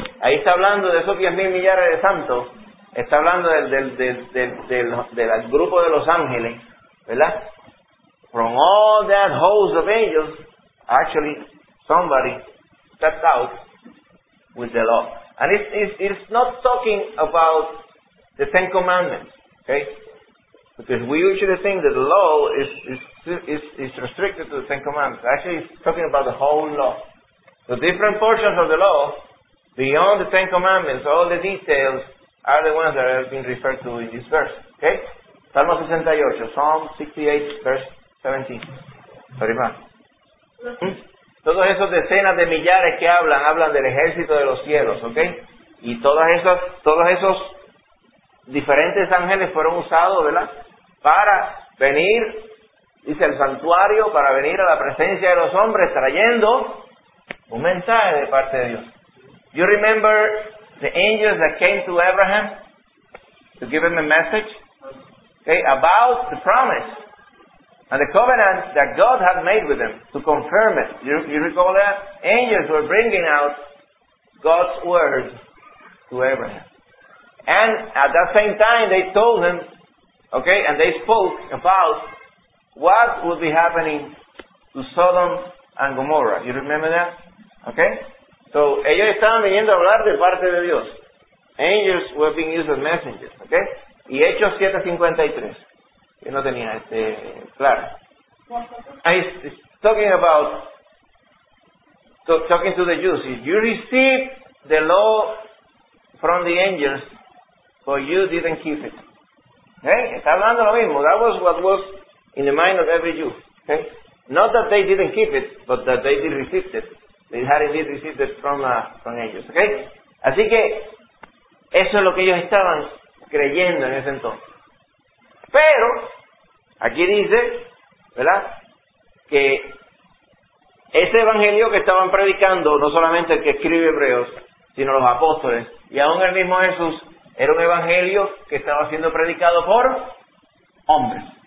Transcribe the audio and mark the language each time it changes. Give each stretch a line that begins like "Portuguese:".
Spanish: Ahí está hablando de esos 10.000 millares de santos. Está hablando del grupo de los ángeles, ¿verdad?
English: From all that host of angels, actually, somebody stepped out with the law. And it's not talking about the Ten Commandments, okay? Because we usually think that the law is restricted to the Ten Commandments. Actually, it's talking about the whole law. The different portions of the law, beyond the Ten Commandments, all the details, are the ones that have been referred to in this verse. Okay? Salmo 68, Psalm 68, verse 17. Sorry, man.
Spanish: Todos esos decenas de millares que hablan del ejército de los cielos, okay? Y todos esos diferentes ángeles fueron usados, ¿verdad? Para venir, dice el santuario, para venir a la presencia de los hombres trayendo un mensaje de parte de Dios.
English: You remember the angels that came to Abraham to give him a message, okay, about the promise and the covenant that God had made with them to confirm it. You recall that? Angels were bringing out God's word to Abraham. And at that same time, they told him, okay, and they spoke about what would be happening to Sodom and Gomorrah. You remember that? Okay?
Spanish: So, ellos estaban viniendo a hablar de parte de Dios.
English: Angels were being used as messengers, okay?
Spanish: Y Hechos 7:53. Yo no tenía claro.
English: It's talking about talking to the Jews. If you received the law from the angels, but you didn't keep it. Okay?
Spanish: Está hablando lo mismo.
English: That was what was in the mind of every Jew. Okay? Not that they didn't keep it, but that they did receive it. They had indeed received it from ellos. Okay?
Spanish: Así que, eso es lo que ellos estaban creyendo en ese entonces. Pero, aquí dice, ¿verdad? Que ese evangelio que estaban predicando, no solamente el que escribe Hebreos, sino los apóstoles, y aún el mismo Jesús, era un evangelio que estaba siendo predicado por hombres.